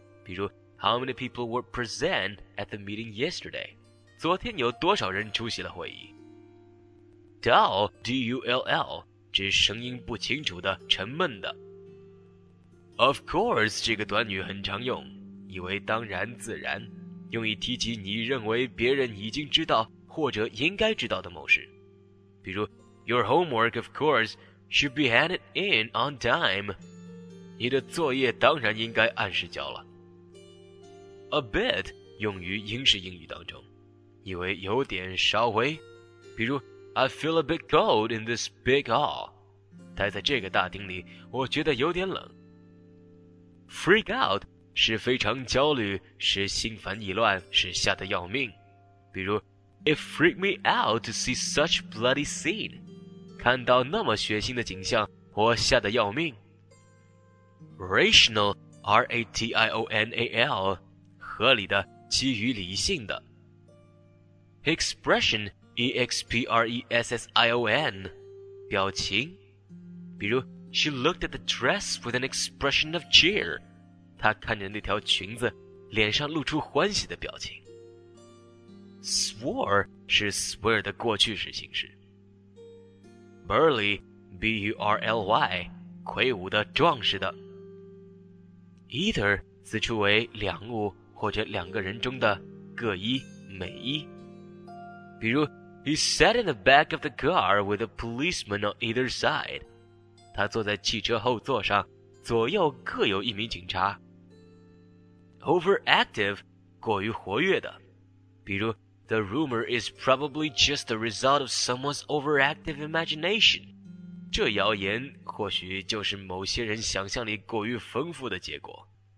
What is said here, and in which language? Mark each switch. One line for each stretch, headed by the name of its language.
Chinese: 比如
English: ,How many people were present at the meeting yesterday?
Chinese: 昨天有多少人出席了会议 ?Dull, D-U-L-L, 指声音不清楚的、沉闷的。 Of course, 这个短语很常用，意为当然、自然，用以提及你认为别人已经知道或者应该知道的某事。比如
English: Your homework, of course, should be handed in on time.
Chinese: 你的作业当然应该按时交了。 A bit 用于英式英语当中，以为有点、稍微。比如
English: I feel a bit cold in this big hall.
Chinese: 待在这个大厅里，我觉得有点冷。 Freak out 是非常焦虑，是心烦意乱，是吓得要命。比如
English: It freaked me out to see such bloody scene.
Chinese: 看到那么血腥的景象，我吓得要命。 Rational, R-A-T-I-O-N-A-L, 合理的，基于理性的。 Expression, E-X-P-R-E-S-S-I-O-N, 表情。比如
English: ,She looked at the dress with an expression of cheer.
Chinese: 她看着那条裙子，脸上露出欢喜的表情。 Swore, 是 swear 的过去式形式。Burly, B-U-R-L-Y, 魁梧的、壮实的。 Either, 此处为两物或者两个人中的各一、每一。比如
English: ,He sat in the back of the car with a policeman on either side.
Chinese: 他坐在汽车后座上，左右各有一名警察。
English: Overactive,
Chinese: 过于活跃的。比如
English: The rumor is probably just the result of someone's overactive imagination.
Chinese: 这谣言或许就是某些人想象力过于丰富的结果。